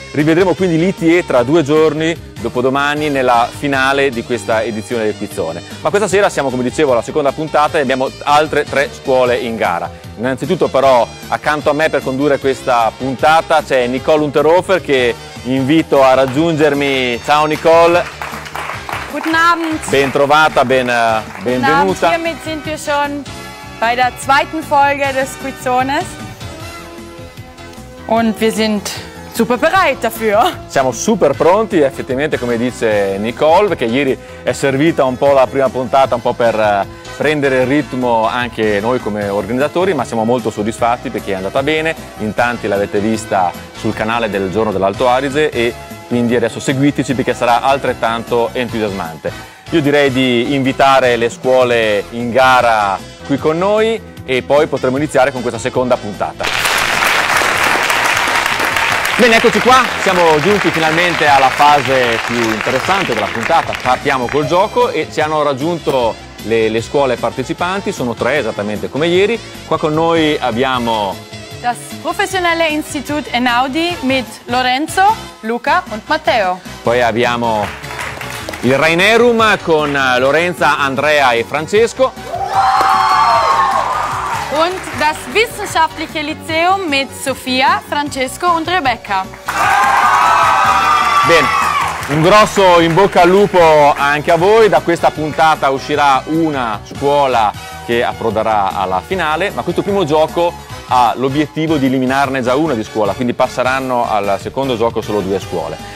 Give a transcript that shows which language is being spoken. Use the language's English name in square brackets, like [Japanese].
[Italian] Rivedremo quindi l'ITE tra due giorni, dopodomani, nella finale di questa edizione del Quizzone. Ma questa sera siamo, come dicevo, alla seconda puntata e abbiamo altre tre scuole in gara. Innanzitutto però accanto a me per condurre questa puntata c'è Nicole Unterhofer, che invito a raggiungermi. Ciao Nicole. [German] Guten Abend. [Italian] Ben trovata, benvenuta. [German] Guten Abend, hiermit sind wir schon bei der zweiten Folge des Quizzones. Und wir sind super bereit dafür. [Italian] Siamo super pronti, effettivamente, come dice Nicole, perché ieri è servita un po' la prima puntata, un po' per prendere il ritmo anche noi come organizzatori, ma siamo molto soddisfatti perché è andata bene. In tanti l'avete vista sul canale del Giorno dell'Alto Adige e quindi adesso seguiteci perché sarà altrettanto entusiasmante. Io direi di invitare le scuole in gara qui con noi e poi potremo iniziare con questa seconda puntata. Bene, eccoci qua, siamo giunti finalmente alla fase più interessante della puntata. Partiamo col gioco e ci hanno raggiunto le scuole partecipanti, sono tre esattamente come ieri. Qua con noi abbiamo [German] das professionelle Institut Einaudi mit Lorenzo, Luca und Matteo. [Italian] Poi abbiamo il Rainerum con Lorenza, Andrea e Francesco. [German] Und das wissenschaftliche Lyceum mit Sofia, Francesco und Rebecca. [Italian] Bene. Un grosso in bocca al lupo anche a voi. Da questa puntata uscirà una scuola che approderà alla finale, ma questo primo gioco ha l'obiettivo di eliminarne già una di scuola, quindi passeranno al secondo gioco solo due scuole.